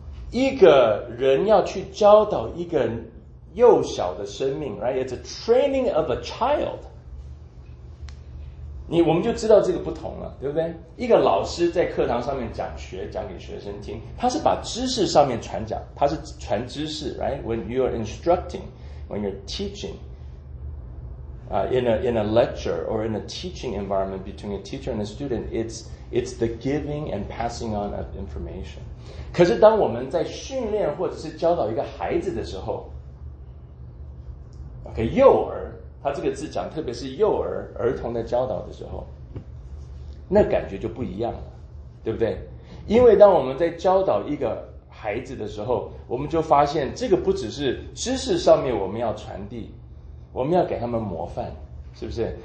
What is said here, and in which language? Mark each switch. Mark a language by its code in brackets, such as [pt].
[zh] 一个人要去教导一个人幼小的生命 ，right? [en] It's a training of a child。 [zh] 我们就知道这个不同了，对不对？一个老师在课堂上面讲学，讲给学生听，他是把知识上面传讲，他是传知识 ，right? [en] When you are instructing, when you're teaching, in a lecture or in a teaching environment between a teacher and a student, it's the giving and passing on of information。 [zh] 可是当我们在训练或者是教导一个孩子的时候。 OK， 幼儿，他这个字讲特别是幼儿儿童的教导的时候，那感觉就不一样了，对不对？因为当我们在教导一个孩子的时候，我们就发现这个不只是知识上面我们要传递，我们要给他们模范，是不是？